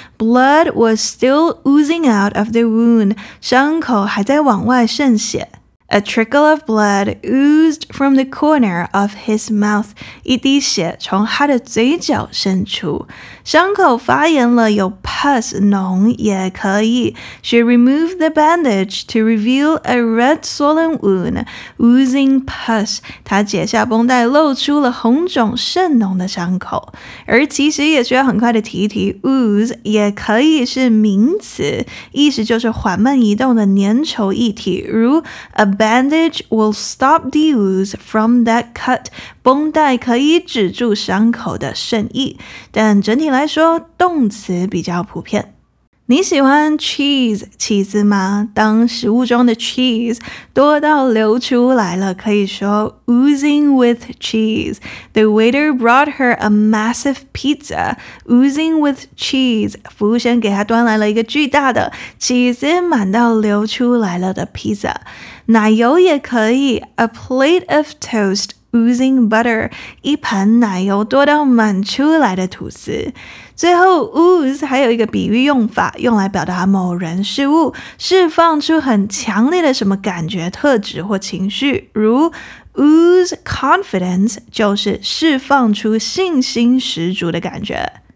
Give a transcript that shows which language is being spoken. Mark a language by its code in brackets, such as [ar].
[en] Blood was still oozing out of the wound， [zh] 伤口还在往外渗血。 [en] A trickle of blood oozed from the corner of his mouth. [zh] 一滴血从他的嘴角渗出。伤口发炎了，有 pus 脓也可以。 [en] She removed the bandage to reveal a red swollen wound, oozing pus. [zh] 她解下绷带，露出了红肿渗脓的伤口。而其实也需要很快的提提 ，ooze 也可以是名词，意思就是缓慢移动的粘稠液体。 [en] 如 a bandage will stop the ooze from that cut. [zh] 绷带可以止住伤口的渗液，但整体来说，动词比较普遍。你喜欢 cheese 起司吗？当食物中的 cheese 多到流出来了，可以说 [en] oozing with cheese. The waiter brought her a massive pizza oozing with cheese. [zh] 服务生给她端来了一个巨大的起司满到流出来了的 pizza. 奶油也可以 [en] a plate of toast oozing butter. [zh] 一盘奶油多到满出来的吐司。最后 ooze 还有一个比喻用法，用来表达某人事物释放出很强烈的什么感觉、特质或情绪，如 ooze confidence 就是释放出信心十足的感觉。